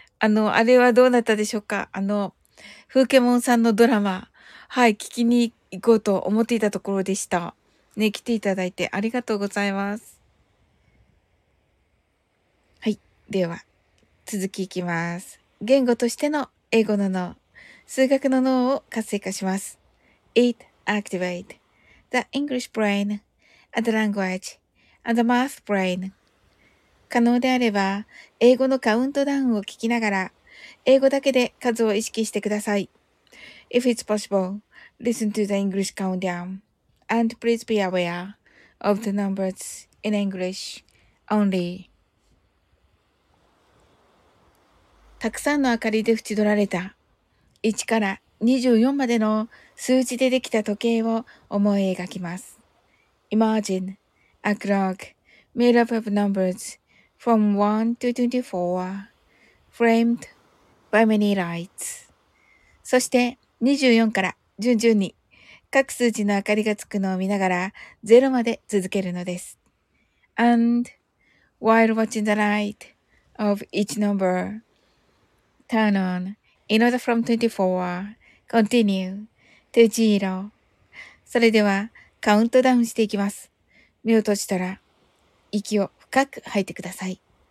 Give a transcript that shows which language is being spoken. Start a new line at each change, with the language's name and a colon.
Japanese: あれはどうなったでしょうか？風景門さんのドラマ、はい、聞きに行こうと思っていたところでした。ね、来ていただいてありがとうございます。はい、では続きいきます。言語としての英語の脳、数学の脳を活性化します。
English: It activate the English brain and the language and the math brain.
Japanese: 可能であれば、英語のカウントダウンを聞きながら、英語だけで数を意識してください。
English: If it's possible, listen to the English countdown. And please be aware of the numbers in English only.
Japanese: たくさんの明かりで縁取られた1から24までの数字でできた時計を思い描きます。
English: Imagine a clock made up of numbers from 1 to 24 framed by many lights.
Japanese: そして24から順々に各数字の明かりがつくのを見ながら0まで続けるのです。
English: And while watching the light of each number, turn on in order from 24, continue to 0.
Japanese: それではカウントダウンしていきます。目を閉じたら息を深く吐いてください。